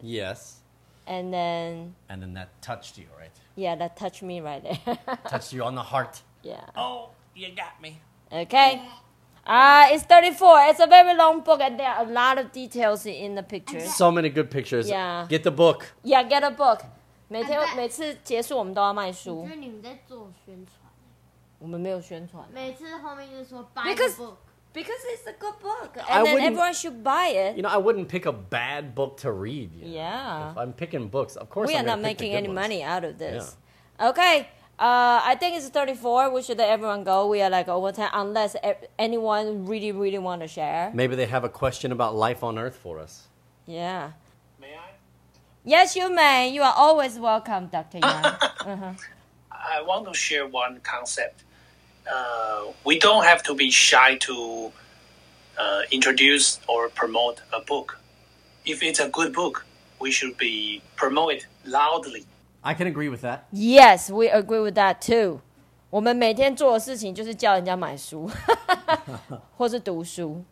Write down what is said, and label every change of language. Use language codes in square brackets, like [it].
[en] Yes. And then that touched you, right? Yeah, that touched me right there. Touched you on the heart. Yeah. Oh, you got me. Okay, it's 34. It's a very long book, and there are a lot of details in the pictures. So many good pictures. Yeah. Get the book. Yeah, get a book. [zh] 每次结束我们都要卖书。我觉得你们在做宣传。我们没有宣传。每次后面就说 [en] buy the book. Because it's a good book. And then everyone should buy it. You know, I wouldn't pick a bad book to read. You know? Yeah. If I'm picking books, of course we are not making any money out of this. Yeah. Okay. I think it's 34. We should let everyone go. We are like over time, unless anyone really, really want to share. Maybe they have a question about life on Earth for us. Yeah. May I? Yes, you may. You are always welcome, Dr. Yang. Uh-huh. I want to share one concept. We don't have to be shy to introduce or promote a book. If it's a good book, we should be promote it loudly. I can agree with that. Yes, we agree with that too. [zh] 我们每天做的事情就是叫人家买书，或是读书。